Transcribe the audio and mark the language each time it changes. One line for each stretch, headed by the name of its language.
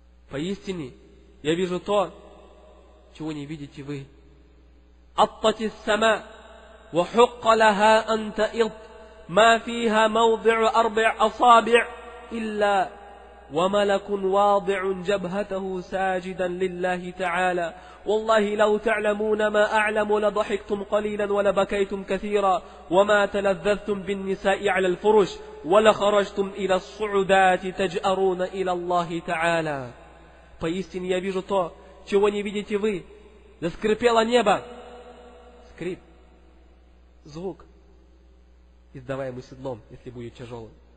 Russian: Поистине, я вижу то, чего не видите вы.
Arabic: Аттати ссама, ва хукка лаха анта илт, ма фиха маудиу арбиа асаби' илла, ва малакун вадиун джабхатаху сааджидан лиллахи та'ала. والله لو تعلمون ما أعلم لضحكتم قليلا ولبكيتم كثيرا وما تلذذتم بالنساء على الفرش ولخرجتم إلى الصعدات تجأرون إلى الله تعالى.
Russian: Поистине я вижу то, чего не видите вы. Заскрипело небо. Скрип. Звук, издаваемый седлом, если будет тяжелым.